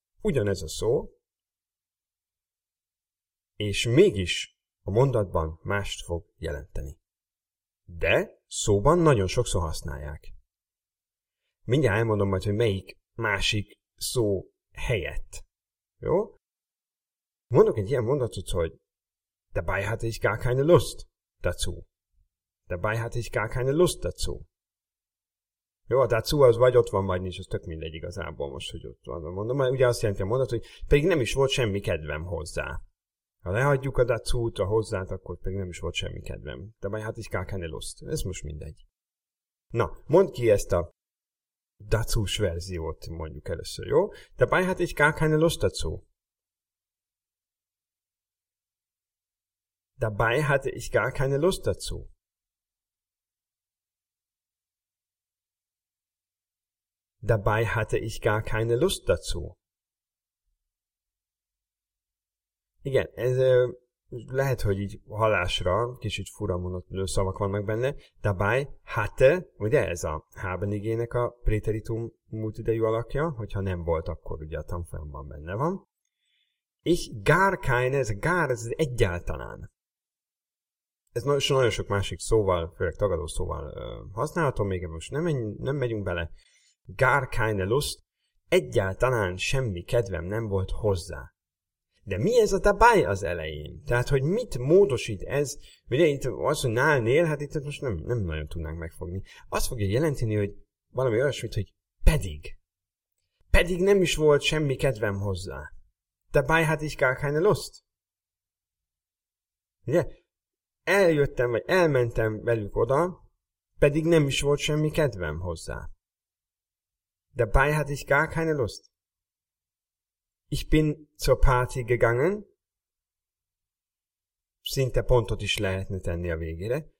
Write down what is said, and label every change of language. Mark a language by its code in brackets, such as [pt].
[hu] Ugyanez a szó, és mégis a mondatban mást fog jelenteni. De szóban nagyon sokszor használják. Mindjárt elmondom majd, hogy melyik másik szó helyett. Jó? Mondok egy ilyen mondatot, hogy [de] dabei hatte ich gar keine Lust dazu. Dabei hatte ich gar keine Lust dazu. [hu] Jó, a dazu az vagy ott van, vagy nincs, az tök mindegy igazából most, hogy ott van. Mondom, mert ugye azt jelenti a mondat, hogy pedig nem is volt semmi kedvem hozzá. Ha lehagyjuk a dazu-t, a hozzát, akkor pedig nem is volt semmi kedvem. [de] Dabei hatte ich gar keine Lust. [hu] Ez most mindegy. Na, mondd ki ezt a dazu-s verziót mondjuk először, jó? [de] Dabei hatte ich gar keine Lust dazu. Dabei hatte ich gar keine Lust dazu. Dabei hatte ich gar keine Lust dazu. [hu] Igen, ez lehet, hogy így halásra kicsit fura mondatlő szavak vannak benne. [de] Dabei hatte, [hu] ugye ez a haben igének a préteritum múltidejű alakja, hogyha nem volt, akkor ugye a tanfolyamban benne van. [de] Ich gar keine, [hu] ez a gar, ez egyáltalán. Ez nagyon sok másik szóval, főleg tagadó szóval használhatom, még most nem megyünk bele. [de] Gar keine Lust, [hu] egyáltalán semmi kedvem nem volt hozzá. De mi ez a dabei az elején? Tehát, hogy mit módosít ez? Ugye itt az, hogy nálnél, hát itt most nem nagyon tudnánk megfogni. Azt fogja jelenteni, hogy valami olyasmit, hogy pedig. Pedig nem is volt semmi kedvem hozzá. [de] Dabei hatte ich gar keine Lust. [hu] Ugye? Eljöttem, vagy elmentem velük oda, pedig nem is volt semmi kedvem hozzá. [de] Dabei hatte ich gar keine Lust. Ich bin zur Party gegangen. [hu] Szinte pontot is lehetne tenni a végére.